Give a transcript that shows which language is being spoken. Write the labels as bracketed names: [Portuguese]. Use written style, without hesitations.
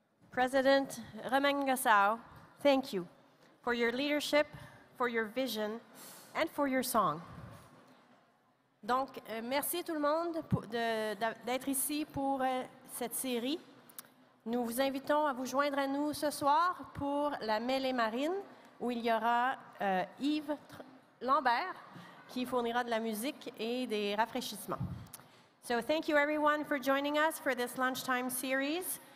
[English] President Remengesau, thank you for your leadership, for your vision, and for your song. [French] Donc, merci tout le monde d'être ici pour cette série. Nous vous invitons à vous joindre à nous ce soir pour la mêlée marine, où il y aura Yves Lambert, qui fournira de la musique et des rafraîchissements. [English] So thank you everyone for joining us for this lunchtime series.